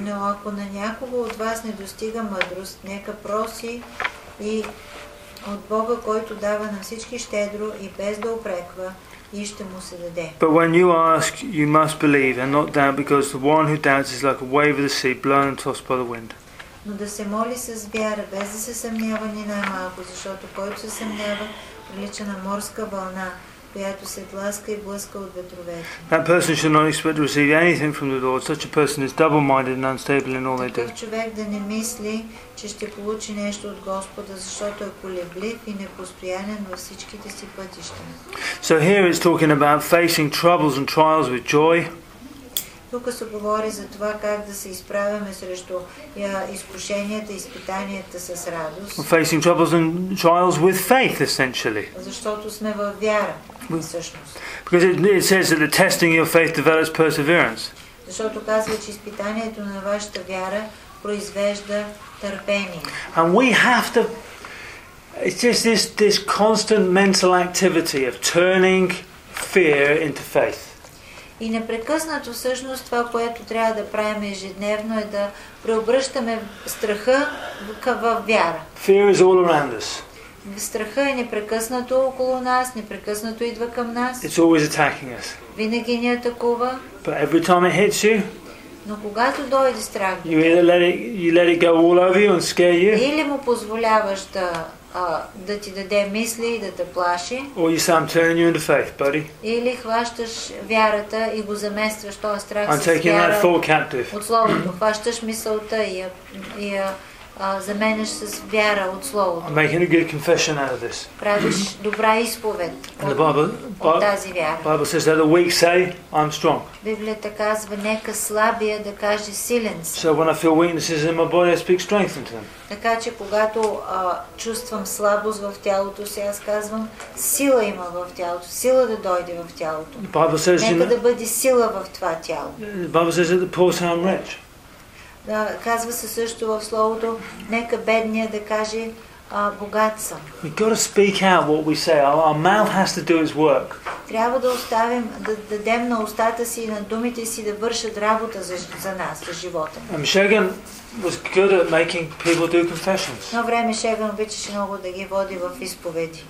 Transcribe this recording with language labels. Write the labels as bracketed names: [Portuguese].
[Bulgarian] Но ако на някого от вас не достига мъдрост, нека проси и от Бога, който дава на всички щедро и без да упреква, [English] But when you ask, you must believe and not doubt, because the one who doubts is like a wave of the sea, blown and tossed by the wind. [Bulgarian] Но да се моли с вяра, без да се съмнява ни най-малко, защото който се съмнява, прилича на морска вълна, която се тласка и блъска от ветровете. [English] That person should not expect to receive anything from the Lord. Such a person is double-minded and unstable in all they do. [Bulgarian] Човек да не мисли, че ще получи нещо от Господа, защото е колеблив и непостоянен във всичките си пътища. [English] So here it's talking about facing troubles and trials with joy. [Bulgarian] Тук се говори за това как да се изправяме срещу изкушенията, изпитанията с радост. [English] We're facing troubles and trials with faith, essentially. [Bulgarian] Защото сме във вяра, всъщност. [English] Because it says that the testing of your faith develops perseverance. [Bulgarian] Защото казва, че изпитанието на вашата вяра произвежда търпение. [English] And we have to... It's just this constant mental activity of turning fear into faith. [Bulgarian] И непрекъснато всъщност това, което трябва да правим ежедневно, е да преобръщаме страха във вяра. [English] Fear is all around us. [Bulgarian] Страха е непрекъснато около нас, непрекъснато идва към нас. [English] It's always attacking us. [Bulgarian] Винаги ни атакува. [English] But every time it hits you, [Bulgarian] но когато дойде страх, [English] you either let it go all over you and scare you, [Bulgarian] или му позволяваш да... да ти даде мисли и да те плаши. [English] Or you say, I'm turning you into faith, buddy. [Bulgarian] Или хващаш вярата и го заместваш този страх с вяра от словото. Хващаш мисълта и я заменяш с вяра от словото. [English] I'm making a good confession out of this. [Bulgarian] Правиш добра изповед от тази вяра. [English] Bible says that the weak say, I'm strong. [Bulgarian] Библията казва, нека слабия да каже силен си. [English] So when I feel weaknesses in my body, I speak strength into them. [Bulgarian] Така че когато чувствам слабост в тялото си, аз казвам, сила има в тялото, сила да дойде в тялото. [English] Bible says, [Bulgarian] нека да бъде сила в това тяло. [English] Bible says that the poor sound rich. [Bulgarian] Да, казва се също в словото, нека бедния да каже богат съм. [English] We got to speak out what we say. Our mouth has to do its work. [Bulgarian] Трябва да оставим, да дадем на устата си и на думите си да вършат работа за нас, за живота. [English] And Shagan was good at making people do confessions. [Bulgarian] Но време Шеган обичаше много да ги води в изповеди.